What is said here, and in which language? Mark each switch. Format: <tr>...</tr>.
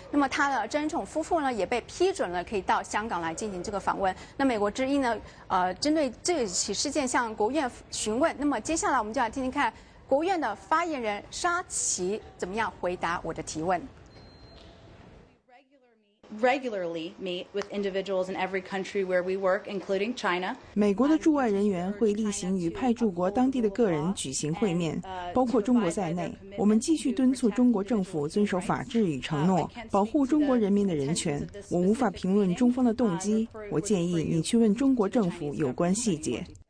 <zh>那么他的郑恩宠夫妇呢也被批准了可以到香港来进行这个访问。那美国之音呢针对这起事件向国务院询问，那么接下来我们就来听听看国务院的发言人沙奇怎么样回答我的提问。</zh> <en>Regularly meet with individuals in every country where we work, including China.</en> <zh>美国的驻外人员会例行与派驻国当地的个人举行会面，包括中国在内。我们继续敦促中国政府遵守法治与承诺，保护中国人民的人权。我无法评论中方的动机，我建议你去问中国政府有关细节。</zh>